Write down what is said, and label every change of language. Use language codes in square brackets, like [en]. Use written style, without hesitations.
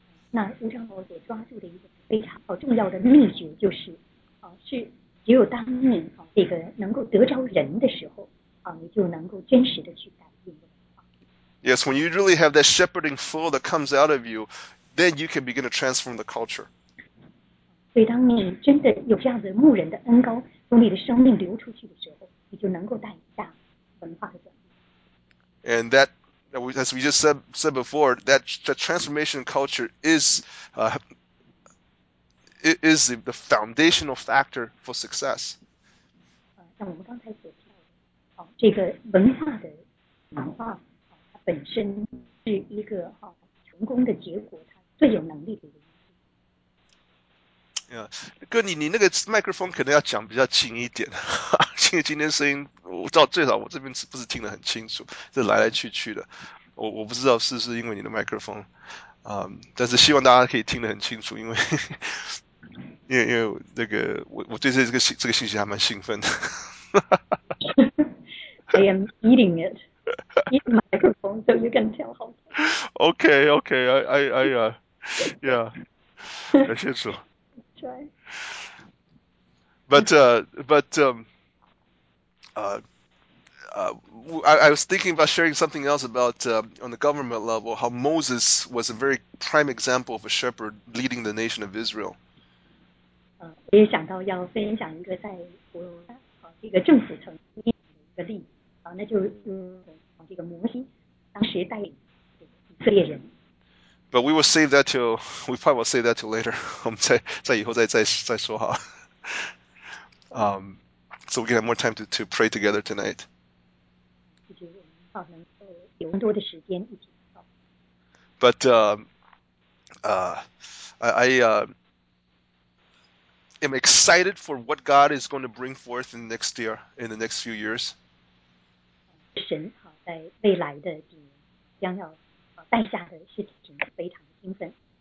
[zh] 那吴长老所抓住的一个非常重要的秘诀就是，是只有当你这个能够得着人的时候，你就能够真实的去改变。 [en] Yes, when you really have that shepherding flow that comes out of you, then you can begin to transform the culture. [zh] 所以，当你真的有这样子牧人的恩膏从你的生命流出去的时候，你就能够带下文化的转变。 [en] And that, as we just said before, that transformation culture is the foundational factor for success. [zh] 像我们刚才所提到的，这个文化的转化。本身是一个成功的结果，它最有能力的一个。哥，你那个麦克风可能要讲比较近一点，因 为今天声音，我知道最少我这边是不是听得很清楚，这来来去去的，我不知道是不是因为你的麦克风，但是希望大家可以听得很清楚，因为那个我对这个信息还蛮兴奋的。 [en] I am eating it. Eat the microphone so you can tell how. Okay, I, yeah. [zh] 感谢主。对。 [en] But I was thinking about sharing something else about on the government level, how Moses was a very prime example of a shepherd leading the nation of Israel. [zh] 我也想到要分享一个在我这个政府层面的例子啊，那就是这个摩西当时带领以色列人。 [en] But we will save that till we probably will save that till later. [zh] 我们再以后再说哈。 [en] So we can have more time to pray together tonight. [zh] 就是我们好能够有更多的时间一起。 [en] But I am excited for what God is going to bring forth in the next year, in the next few years. [zh] 神好在未来的几年将要带下的事情非常兴奋。